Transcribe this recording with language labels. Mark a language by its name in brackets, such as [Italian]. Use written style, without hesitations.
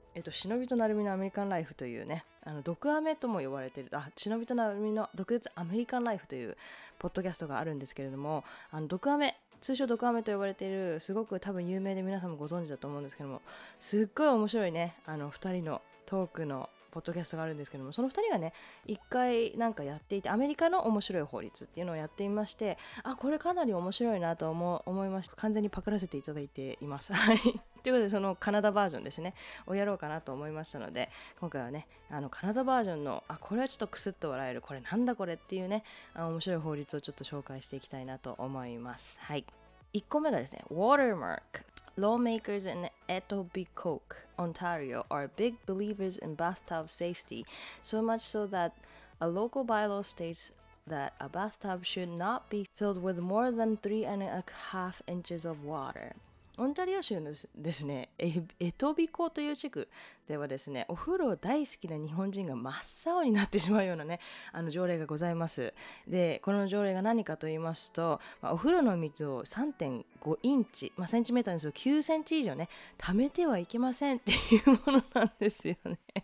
[Japanese] 忍びとなるみのアメリカンライフというね、毒アメとも呼ばれている、忍びとなるみの毒舌アメリカンライフというポッドキャストがあるんですけれども、毒アメ、通称毒アメと呼ばれている、すごく多分有名で皆さんもご存知だと思うんですけども、すっごい面白いね、2人のトークのポッドキャストがあるんですけども、その2人がね一回なんかやっていて、アメリカの面白い法律っていうのをやっていまして、これかなり面白いなと思いました。完全にパクらせていただいています。ということで、そのカナダバージョンですねをやろうかなと思いましたので、今回はね、カナダバージョンの、これはちょっとクスッと笑える、これなんだこれっていうね、面白い法律をちょっと紹介していきたいなと思います。はい、1個目がですね、 [English] Watermark Lawmakers in Etobicoke, Ontario are big believers in bathtub safety, so much so that a local bylaw states that a bathtub should not be filled with more than 3.5 inches of water. [Japanese] オンタリオ州のですね、エトビコという地区ではですね、お風呂大好きな日本人が真っ青になってしまうようなね、条例がございます。で、この条例が何かと言いますと、お風呂の水を 3.5 インチ、センチメーターにすると9センチ以上ね、溜めてはいけませんっていうものなんですよね。